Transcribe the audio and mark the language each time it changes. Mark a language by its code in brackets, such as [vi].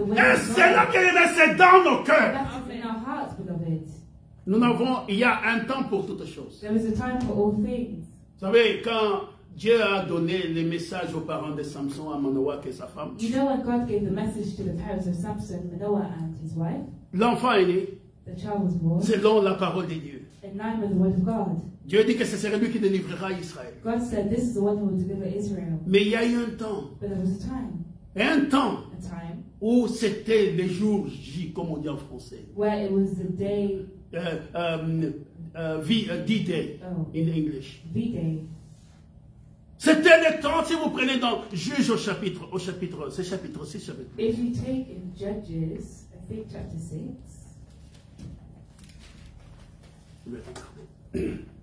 [en] way of God. [fr] Et c'est là qu'il est dans nos cœurs. [en] That's in our hearts, beloved. [fr] Nous avons, il y a un temps pour toutes choses. [en] There is a time for all things. [fr] Vous savez, quand Dieu a donné le message aux parents de Samson, à Manoah et sa femme. [en] You know when God gave the message to the parents of Samson, Manoah and his wife. [fr] L'enfant est né. [en] The child was born. [fr] Selon la parole de Dieu. [en] In line with the word of God. [fr] Dieu dit que ce serait lui qui délivrera Israël. [en] God said this is the one who will deliver Israel. [fr] Mais il y a eu un temps. [en] But there was a time. [fr] Un temps. [en] A time. [fr] Où c'était le jour J, comme on dit en français. [en] Where it was the day. D-Day in English. V-Day. [fr] C'était le temps, si vous prenez dans Juges au chapitre, c'est chapitre 6. [en] If you take in Judges, I think chapter 6.